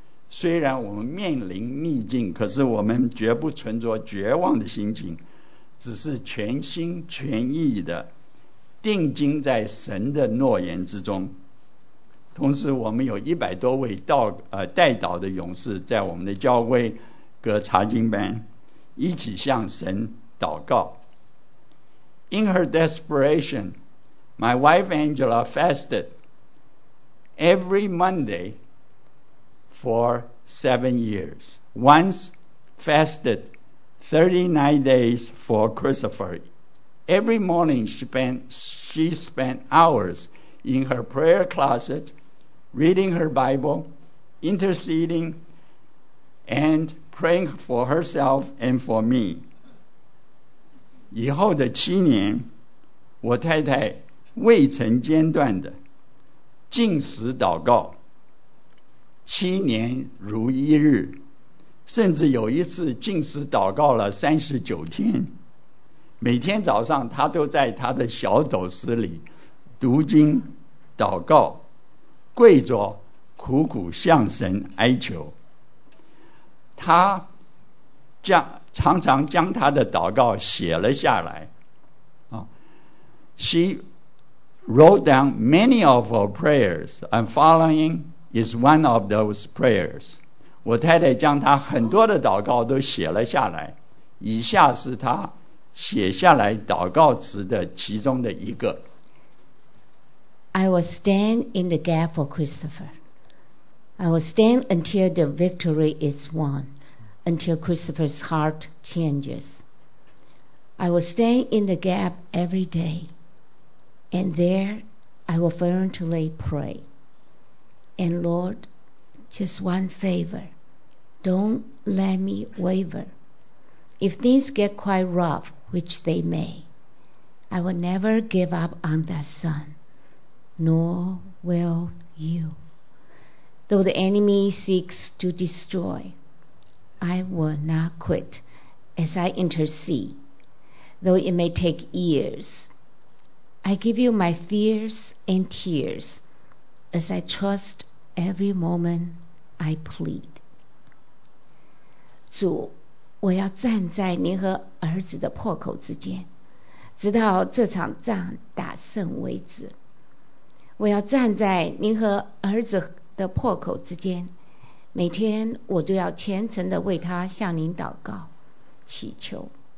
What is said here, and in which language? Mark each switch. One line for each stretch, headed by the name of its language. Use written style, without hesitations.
Chinese: 虽然我们面临逆境，可是我们绝不存着绝望的心情，只是全心全意的定睛在神的诺言之中。同时我们有100多位代祷的勇士在我们的教会，和查经班一起向神祷告。
English: In her desperation, my wife Angela fasted every Monday for 7 years. Once fasted 39 days for Christopher. Every morning she spent hours in her prayer closet, reading her Bible, interceding, and praying for herself and for me.
Chinese: 以后的七年，我太太未曾间断的禁食祷告，七年如一日，甚至有一次禁食祷告了39天。每天早上她都在她的小斗室里读经祷告，跪着苦苦向神哀求。她常常将她的祷告写了下来。
English: She wrote down many of her prayers, and following is one of those prayers.
Chinese: 我太太将她很多的祷告都写了下来，以下是她写下来祷告词的其中的一个。
English: I will stand in the gap for Christopher. I will stand until the victory is won, until Christopher's heart changes. I will stand in the gap every day, and there I will fervently pray. And Lord, just one favor, don't let me waver. If things get quite rough, which they may, I will never give up on that son, nor will you. Though the enemy seeks to destroy, I will not quit as I intercede. Though it may take years, I give you my fears and tears as I trust every moment I plead.
Chinese: 主，我要站在您和儿子的破口之间，直到这场仗打胜为止。我要站在您和儿子的破口之间，每天我都要虔诚地为他向您祷告祈求。